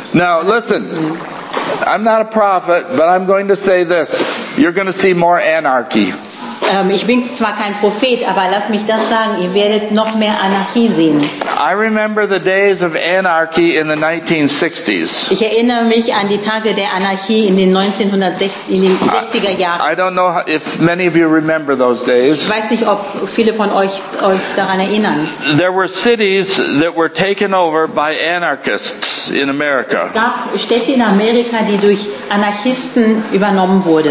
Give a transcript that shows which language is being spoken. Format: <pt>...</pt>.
<en>Now listen, I'm not a prophet, but I'm going to say this. You're going to see more anarchy.</en> <de>Ich bin zwar kein Prophet, aber lass mich das sagen, ihr werdet noch mehr Anarchie sehen.</de> <en>I remember the days of anarchy in the 1960s.</en> <de>Ich erinnere mich an die Tage der Anarchie in den 1960er Jahren.</de> <en>I don't know if many of you remember those days.</en> <de>Ich weiß nicht, ob viele von euch daran erinnern.</de> <en>There were cities that were taken over by anarchists in America.</en> <de>Es gab Städte in Amerika, die durch Anarchisten übernommen wurden.</de>